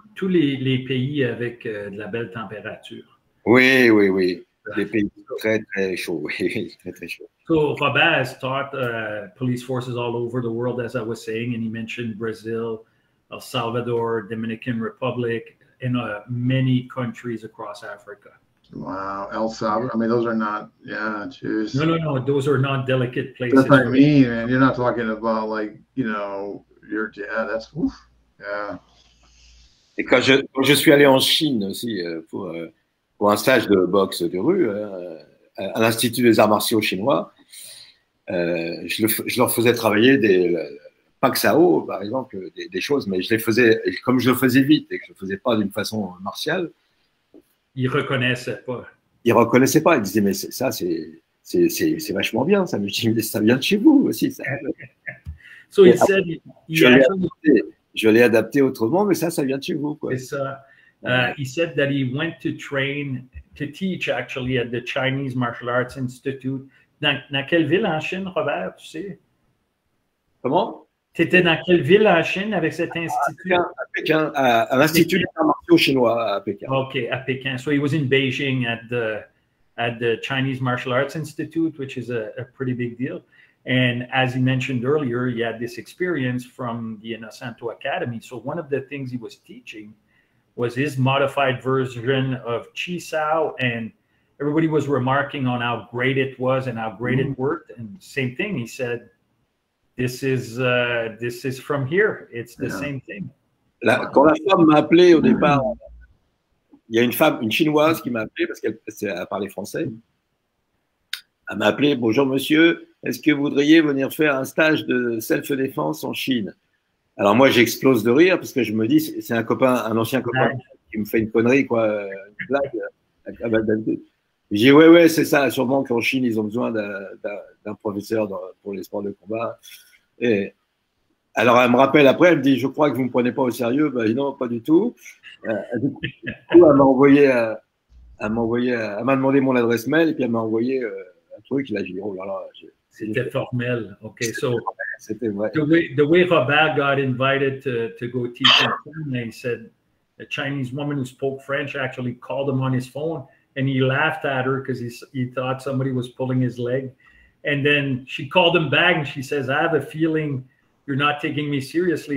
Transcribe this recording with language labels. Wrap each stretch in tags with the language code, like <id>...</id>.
<fr>tous les pays avec de la belle température. Oui. Des Voilà. pays très très chauds, oui, très très chauds.</fr> <en>So Robert has taught police forces all over the world, as I was saying, and he mentioned Brazil, El Salvador, Dominican Republic, and many countries across Africa. Wow, El Yeah. Salvador. I mean, those are not, yeah, No, geez. those are not delicate That's places what I for people. mean, man. You're not talking about like, you know, your dad. Yeah, that's, oof, yeah.</en> <fr>Et quand je suis allé en Chine aussi pour un stage de boxe de rue à l'Institut des arts martiaux chinois, je leur faisais travailler pas que ça haut, par exemple, des choses, mais je les faisais, comme je le faisais vite et que je ne le faisais pas d'une façon martiale. Ils ne reconnaissaient pas. Ils ne reconnaissaient pas. Ils disaient, mais c'est, ça, c'est vachement bien, ça, ça vient de chez vous aussi. Ça.</fr> <en>So il said,</en> <fr>je l'ai adapté autrement, mais ça, ça vient de chez vous. C'est ça.</fr> <en>He said that he went to train, to teach actually at the Chinese Martial Arts Institute.</en> <fr>Dans quelle ville en Chine, Robert, tu sais? Comment? Tu étais dans quelle ville en Chine avec cet institut? À Pékin, à l'Institut des arts martiaux chinois à Pékin. OK, à Pékin.</fr> <en>So he was in Beijing at the Chinese Martial Arts Institute, which is a pretty big deal. And as he mentioned earlier, he had this experience from the Innocento Academy. So one of the things he was teaching was his modified version of Chi Sao, and everybody was remarking on how great it was and how great it worked. And same thing, he said, this is from here. It's the same thing.</en> <fr>Quand la femme m'a appelé au départ, il y a une femme, une Chinoise qui m'a appelé parce qu'elle parlait français. Elle m'a appelé, bonjour monsieur, est-ce que vous voudriez venir faire un stage de self-défense en Chine? Alors moi, j'explose de rire parce que je me dis, c'est un copain, un ancien copain qui me fait une connerie, quoi, une blague. Je dis, ouais, c'est ça, sûrement qu'en Chine, ils ont besoin d'un professeur pour les sports de combat. Et alors, elle me rappelle après, elle me dit, je crois que vous ne me prenez pas au sérieux. Ben, non, pas du tout. Du coup, elle m'a demandé mon adresse mail et puis elle m'a envoyé un truc. Là, j'ai dit, oh là là, C'était formel.</fr> <en>Okay, so the way Robert got invited to go teach in China, he said a Chinese woman who spoke French actually called him on his phone, and he laughed at her because he thought somebody was pulling his leg, and then she called him back and she says, "I have a feeling you're not taking me seriously."</en>